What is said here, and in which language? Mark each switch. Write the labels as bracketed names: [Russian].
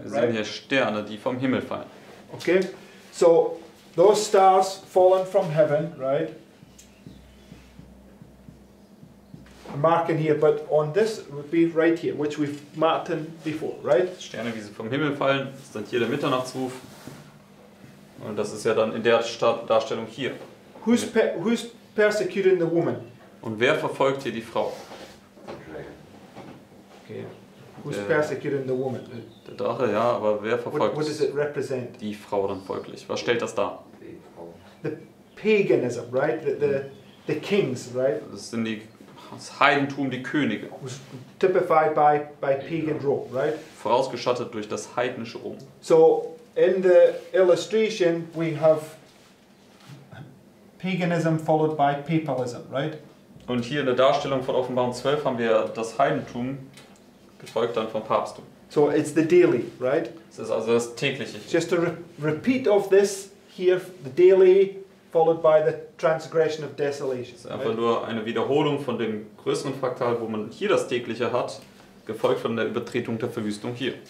[German] Wir sehen hier Sterne, die vom Himmel fallen. [English] Okay, so those stars falling from heaven, right? I'm marking here, but on this would be right here, which we've marked in before, right? [German] Sterne, wie sie vom Himmel fallen, ist dann hier der Mitternachtsruf. Und das ist ja dann in der Darstellung hier. [English] Who's persecuting the woman? [German] Und wer verfolgt hier die Frau? [English] Okay. Who's persecuting the woman? [German] Der Drache, ja, aber wer verfolgt [English] what does it represent? [German] Die Frau dann folglich? Was stellt das dar? [English] The paganism, right? The kings, right? [German] Das sind die, das Heidentum, die Könige. [English] Was typified by pagan Rome, right? [German] Vorausgeschattet durch das heidnische Rom. [English] So, in the illustration we have paganism followed by papalism, right? [German] Und hier in der Darstellung von Offenbarung 12 haben wir das Heidentum gefolgt dann vom Papsttum. [English] So it's the daily, right? [German] Es ist also das tägliche. [English] Just a repeat of this here, the daily followed by the transgression of desolation. [German] Es ist einfach nur eine Wiederholung von dem größeren Fraktal, wo man hier das tägliche hat, gefolgt von der Übertretung der Verwüstung hier.